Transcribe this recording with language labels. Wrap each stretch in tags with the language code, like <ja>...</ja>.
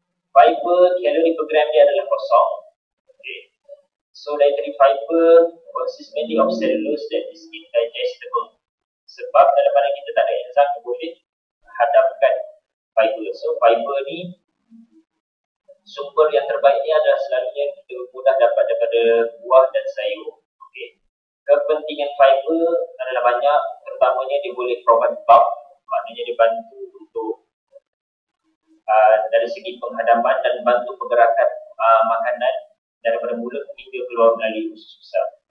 <ms>Fiber, kalori per gram dia adalah kosong. Okay.</ms> <en>So, dietary fiber consists mainly of cellulose that is indigestible.</en> <ms>Sebab dalam mana kita tak ada enzim boleh hadapkan fiber. So, fiber ni, sumber yang terbaik ni adalah selalunya kita mudah dapat daripada buah dan sayur. Okay. Kepentingan fiber adalah banyak. Pertamanya, dia boleh provide bulk, maknanya dia bantu untuk dari segi penghadaman dan bantu pergerakan makanan daripada mulut hingga keluar melalui usus besar.</ms>